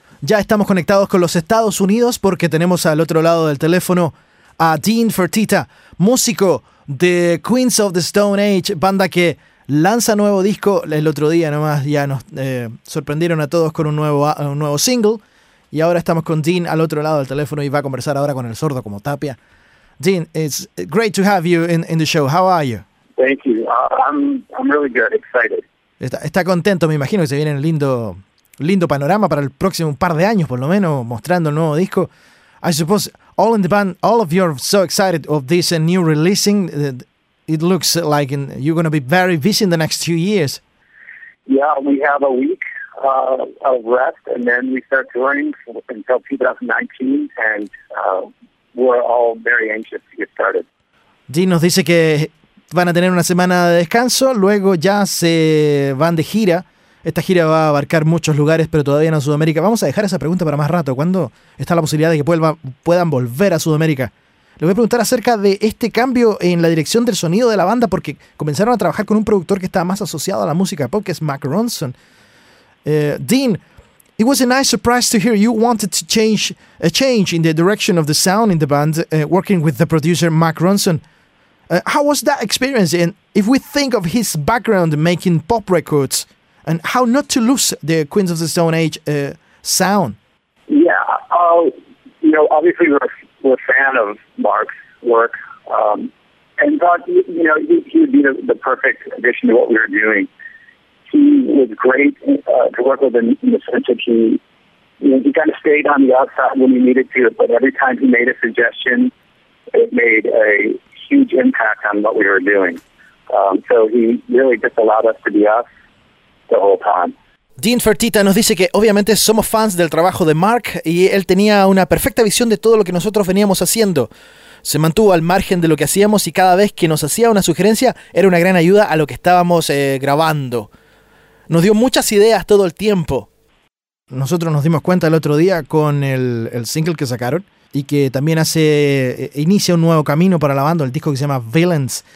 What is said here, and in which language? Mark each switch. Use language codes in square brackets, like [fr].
[es] Ya estamos conectados con los Estados Unidos porque tenemos al otro lado del teléfono a Dean Fertitta, músico de Queens of the Stone Age, banda que lanza nuevo disco el otro día nomás. Ya nos sorprendieron a todos con un nuevo single. Y ahora estamos con Dean al otro lado del teléfono y va a conversar ahora con el sordo como Tapia. [en] Dean, it's great to have you in the show. How are you? Thank you. I'm really good. Excited. [es] Está contento, me imagino que se viene un lindo panorama para el próximo par de años, por lo menos, mostrando el nuevo disco. [en] I suppose all in the band, all of you are so excited of this new releasing. It looks like you're going to be very busy in the next 2 years. Yeah, we have a week of rest, and then we start touring until 2019, and we're all very anxious to get started. [es] Dean nos dice que van a tener una semana de descanso, luego ya se van de gira. Esta gira va a abarcar muchos lugares, pero todavía no a Sudamérica. Vamos a dejar esa pregunta para más rato. ¿Cuándo está la posibilidad de que puedan volver a Sudamérica? Le voy a preguntar acerca de este cambio en la dirección del sonido de la banda, porque comenzaron a trabajar con un productor que está más asociado a la música pop, que es Mac Ronson. [en] Dean, it was a nice surprise to hear you wanted to change in the direction of the sound in the band, working with the producer Mac Ronson. How was that experience? And if we think of his background making pop records, and how not to lose the Queens of the Stone Age sound? Yeah, obviously we're a fan of Mark's work, and thought he would be the perfect addition to what we were doing. He was great to work with in the sense that he kind of stayed on the outside when he needed to, but every time he made a suggestion, it made a huge impact on what we were doing. So he really just allowed us to be us the whole time. [es] Dean Fertitta nos dice que obviamente somos fans del trabajo de Mark y él tenía una perfecta visión de todo lo que nosotros veníamos haciendo. Se mantuvo al margen de lo que hacíamos y cada vez que nos hacía una sugerencia era una gran ayuda a lo que estábamos grabando. Nos dio muchas ideas todo el tiempo. Nosotros nos dimos cuenta el otro día con el single que sacaron y que también inicia un nuevo camino para la banda, el disco que se llama Villains.